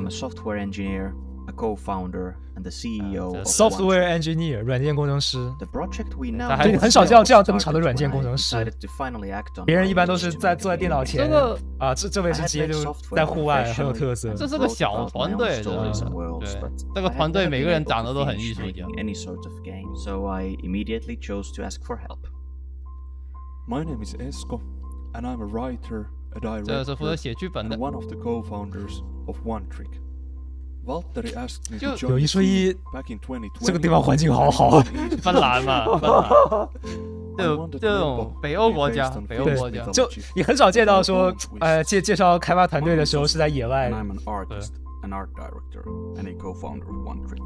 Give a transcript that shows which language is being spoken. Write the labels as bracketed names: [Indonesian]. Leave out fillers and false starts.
[English] I'm a software engineer, a co-founder, and the CEO. Software engineer， [Chinese] 软件工程师。 [English] The project we [Chinese] now 对，很少这样登场的软件工程师。别人一般都是在坐在电脑前。这个啊，这位直接就在户外，很有特色。这是个小团队，对，这个团队每个人长得都很艺术家。 [English] Any sort of game, so I immediately chose to ask for help. My name is Esco, and I'm a writer, a director. [Chinese] 这是负责写剧本的。 [English] One of the co-founders of One Trick. Valtteri asked me to join. [Chinese] 有一说一，这个地方环境好好啊，芬兰嘛，这种北欧国家，北欧国家，就你很少见到说，介绍开发团队的时候是在野外。 [English] I'm an artist, an art director, and a co-founder of One Trick.